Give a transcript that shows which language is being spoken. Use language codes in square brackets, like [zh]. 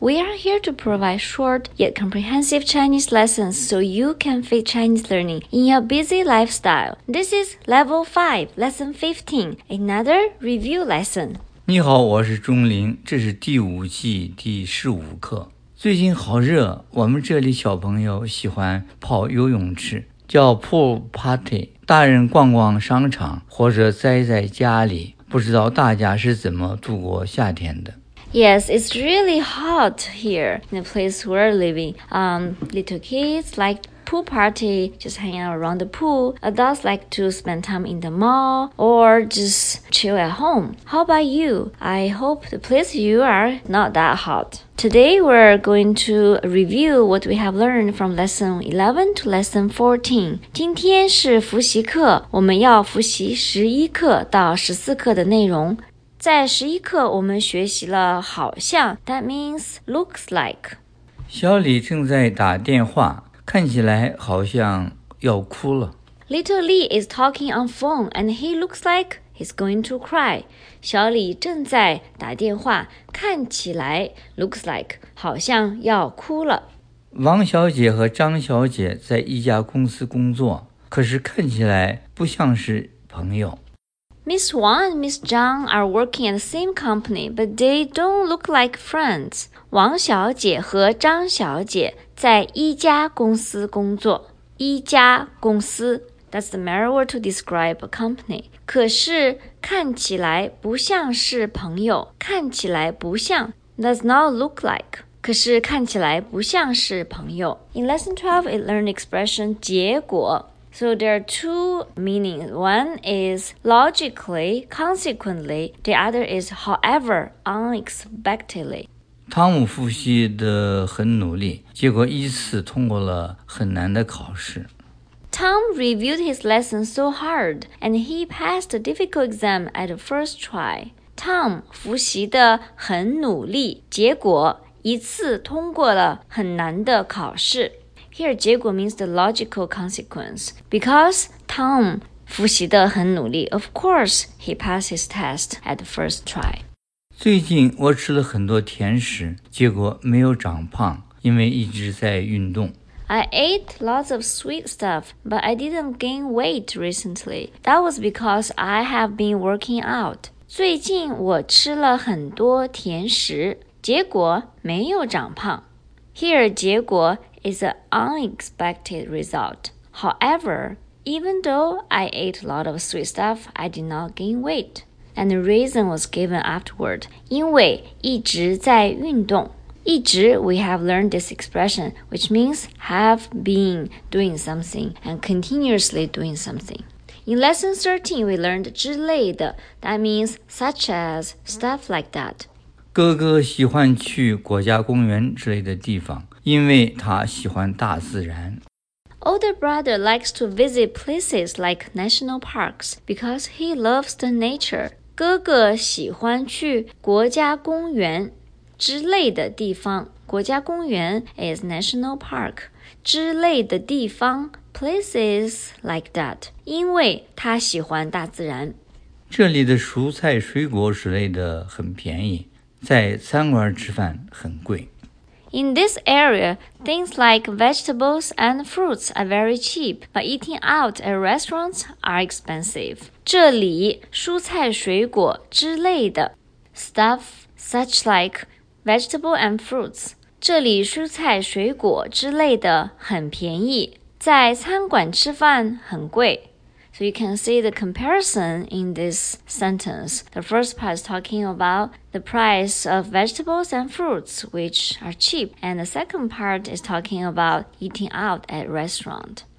[en] We are here to provide short yet comprehensive Chinese lessons so you can fit Chinese learning in your busy lifestyle. This is Level 5, Lesson 15, another review lesson. [zh] 你好，我是钟林，这是第五季第十五课。最近好热，我们这里小朋友喜欢泡游泳池，叫 pool party。大人逛逛商场或者宅在家里，不知道大家是怎么度过夏天的。 [en] Yes, it's really hot here in the place we're living. Little kids like pool party, just hanging around the pool. Adults like to spend time in the mall or just chill at home. How about you? I hope the place you are not that hot. Today, we're going to review what we have learned from lesson 11 to lesson 14. [zh] 今天是复习课，我们要复习11课到14课的内容。在11课我们学习了好像 [en] that means looks like. [zh] 小李正在打电话，看起来好像要哭了。 [en] Little Lee is talking on phone and he looks like he's going to cry. [zh] 小李正在打电话，看起来 [en] looks like [zh] 好像要哭了。王小姐和张小姐在一家公司工作，可是看起来不像是朋友。 [en] Miss Wang and Miss Zhang are working at the same company, but they don't look like friends. [zh] 王小姐和张小姐在一家公司工作。 [en] 一家公司 that's the mere word to describe a company. [zh] 可是看起来不像是朋友。 [en] 看起来不像 does not look like. [zh] 可是看起来不像是朋友。 [en] In lesson 12, it learned expression 结果。So there are two meanings. One is logically, consequently. The other is however, unexpectedly. [zh] 汤姆复习得很努力，结果一次通过了很难的考试。 [en] Tom reviewed his lesson so hard, and he passed a difficult exam at the first try. [zh] Tom 复习得很努力，结果一次通过了很难的考试。 [en] Here, 结果 means the logical consequence. Because Tom [zh] 复习得很努力, [en] of course, he passed his test at the first try. [zh] 最近我吃了很多甜食,结果没有长胖,因为一直在运动。 [en] I ate lots of sweet stuff, but I didn't gain weight recently. That was because I have been working out. [zh] 最近我吃了很多甜食,结果没有长胖。 [en] Here, 结果is an unexpected result. However, even though I ate a lot of sweet stuff, I did not gain weight. And the reason was given afterward. [zh] 因为一直在运动。 [en] 一直 we have learned this expression, which means have been doing something and continuously doing something. In lesson 13, we learned 之类的。That means such as stuff like that. [zh] 哥哥喜欢去国家公园之类的地方。因为他喜欢大自然。 [en] Older brother likes to visit places like national parks because he loves the nature. [zh] 哥哥喜欢去国家公园之类的地方。 [en] 国家公园 is national park. 之类的地方 places like that. [zh] 因为他喜欢大自然。这里的蔬菜水果之类的很便宜，在餐馆吃饭很贵。 [en] In this area, things like vegetables and fruits are very cheap, but eating out at restaurants are expensive. [zh] 这里蔬菜水果之类的 [en] stuff such like vegetable and fruits. [zh] 这里蔬菜水果之类的很便宜，在餐馆吃饭很贵。 [en] So you can see the comparison in this sentence. The first part is talking about the price of vegetables and fruits, which are cheap. And the second part is talking about eating out at restaurant.